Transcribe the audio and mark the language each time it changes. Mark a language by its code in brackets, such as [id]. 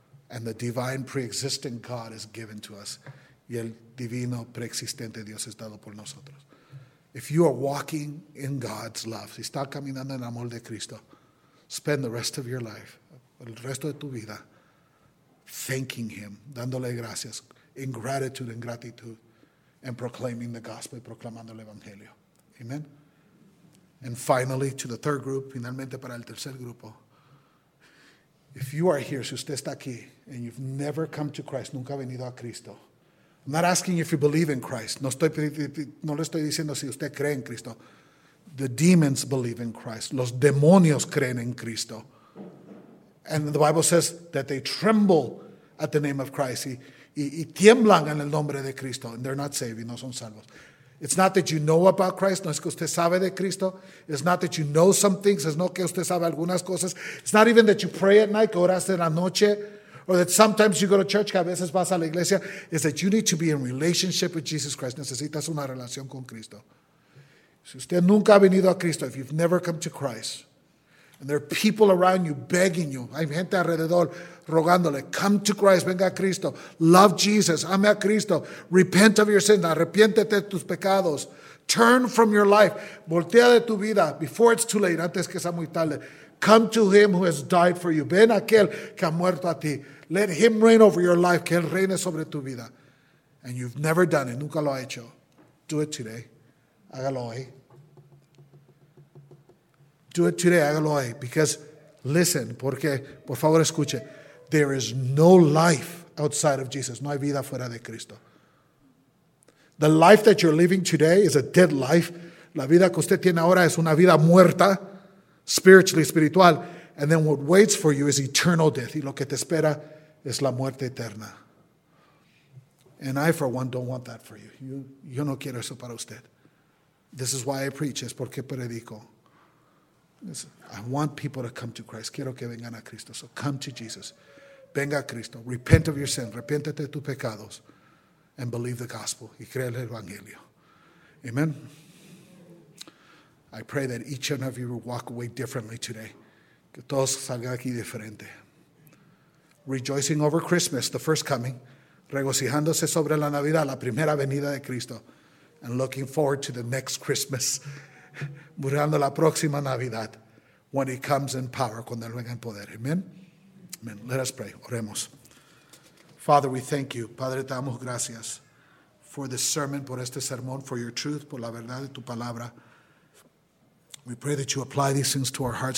[en] And the divine pre-existent God is given to us. [es] Y el divino preexistente Dios es dado por nosotros. [en] If you are walking in God's love, [es] si está caminando en amor de Cristo, [en] spend the rest of your life, [es] el resto de tu vida, [en] thanking him, [es] dándole gracias, [en] in gratitude, [es] in gratitud, [en] and proclaiming the gospel, [es] proclamando el evangelio. [en] Amen. And finally, to the third group, [es] finalmente para el tercer grupo, [en] If you are here, [es] si usted está aquí, [en] and you've never come to Christ, [es] nunca ha venido a Cristo. [en] I'm not asking if you believe in Christ. [es] No le estoy diciendo si usted cree en Cristo. [en] The demons believe in Christ. [es] Los demonios creen en Cristo. [en] And the Bible says that they tremble at the name of Christ. [es] Y tiemblan en el nombre de Cristo. [en] And they're not saved. [es] Y no son salvos. [en] It's not that you know about Christ. [es] No es que usted sabe de Cristo. [en] It's not that you know some things. [es] Es no que usted sabe algunas cosas. [en] It's not even that you pray at night. [es] Que oras en la noche. [en] Or that sometimes you go to church. [es] Que a veces vas a la iglesia. [en] It's that you need to be in relationship with Jesus Christ. [es] Necesitas una relación con Cristo. Si usted nunca ha venido a Cristo, [en] if you've never come to Christ, and there are people around you begging you, [es] hay gente alrededor rogándole, [en] come to Christ, [es] venga a Cristo, [en] love Jesus, [es] ame a Cristo, [en] repent of your sins, [es] arrepiéntete de tus pecados, [en] turn from your life, [es] voltea de tu vida, [en] before it's too late, [es] antes que sea muy tarde, [en] come to him who has died for you, [es] ven a aquel que ha muerto a ti, [en] let him reign over your life, [es] que él reine sobre tu vida, [en] and you've never done it, [es] nunca lo ha hecho, [en] do it today. [es] Hágalo hoy. [en] Do it today. [es] Hágalo hoy. [en] Because, listen, [es] porque, por favor, escuche. [en] There is no life outside of Jesus. [es] No hay vida fuera de Cristo. [en] The life that you're living today is a dead life. [es] La vida que usted tiene ahora es una vida muerta, [en] spiritually, [es] espiritual. [en] And then what waits for you is eternal death. [es] Y lo que te espera es la muerte eterna. [en] And I, for one, don't want that for you. [es] Yo no quiero eso para usted. [en] This is why I preach. [es] Es porque predico. [en] I want people to come to Christ. [es] Quiero que vengan a Cristo. [en] So come to Jesus. [es] Venga a Cristo. [en] Repent of your sin. [es] Repéntete de tus pecados. [en] And believe the gospel. [es] Y cree el evangelio. [en] Amen. I pray that each one of you will walk away differently today. [es] Que todos salgan aquí diferente. [en] Rejoicing over Christmas, the first coming. [es] Regocijándose sobre la Navidad, la primera venida de Cristo. [en] And looking forward to the next Christmas. [es] Mirando la próxima Navidad. [en] When he comes in power. [es] Cuando él venga en poder. [en] Amen. Amen. Let us pray. [es] Oremos. [en] Father, we thank you. [es] Padre, te damos gracias. [en] For this sermon. [es] Por este sermón. [en] For your truth. [es] Por la verdad de tu palabra. [en] We pray that you apply these things to our hearts.